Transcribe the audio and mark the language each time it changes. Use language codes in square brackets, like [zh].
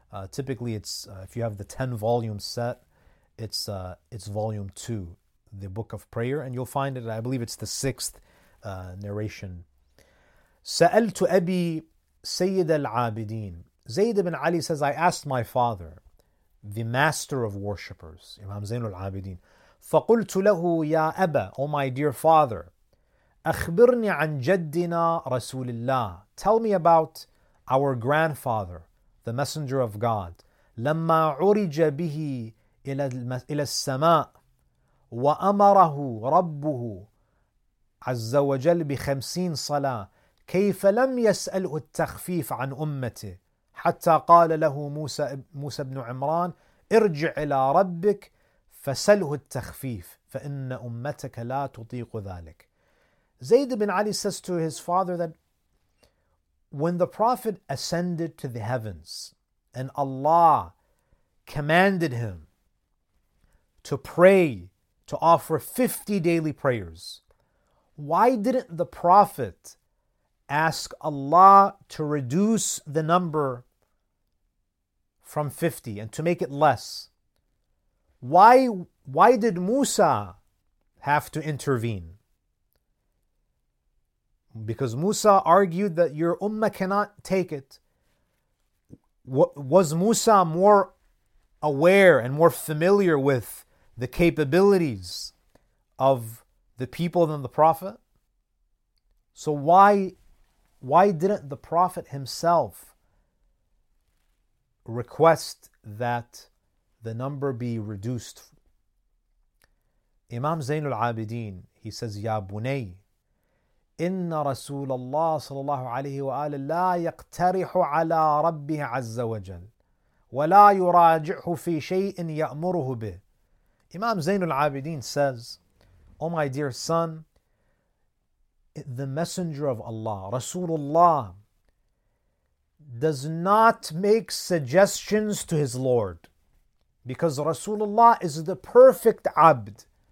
[en] Typically, it's if you have the 10-volume set, it's volume 2, the Book of Prayer, and you'll find it, I believe it's the 6th narration. [ar] سَأَلْتُ أَبِي Sayyid al-Abidin. [en] Zayd ibn Ali says, I asked my father, the master of worshippers, Imam Zainul al-Abidin. [ar] فَقُلْتُ لَهُ يَا أَبَا, [en] O my dear father, [ar] أَخْبِرْنِي عَنْ جَدِّنَا رَسُولِ اللَّهِ. [en] Tell me about our grandfather, the messenger of God. [ar] لَمَّا عُرِجَ بِهِ إِلَى السَّمَاءِ وَأَمَرَهُ رَبُّهُ عَزَّ وَجَلْ بِخَمْسِينَ صَلَاةٍ كيف لم يسأله التخفيف عن أمته حتى قال له موسى بن عمران ارجع إلى ربك فسأله التخفيف فإن أمتك لا تطيق ذلك. [en] Zayd ibn Ali says to his father that when the Prophet ascended to the heavens and Allah commanded him to pray, to offer 50 daily prayers, why didn't the Prophet ask Allah to reduce the number from 50 and to make it less? Why did Musa have to intervene? Because Musa argued that your ummah cannot take it. Was Musa more aware and more familiar with the capabilities of the people than the Prophet? So why didn't the Prophet himself request that the number be reduced? Imam Zain al-Abidin, he says, [ar] Ya Bunay, إِنَّ رَسُولَ اللَّهِ صَلَى اللَّهُ عَلَيْهِ وَآلِهِ لَا يَقْتَرِحُ عَلَىٰ رَبِّهِ عَزَّ وَجَلْ وَلَا يُرَاجِعُ فِي شَيْءٍ يَأْمُرُهُ بِهِ. [en] Imam Zain al-Abidin says, O my dear son, the messenger of Allah, Rasulullah, does not make suggestions to his Lord, because Rasulullah is the perfect abd.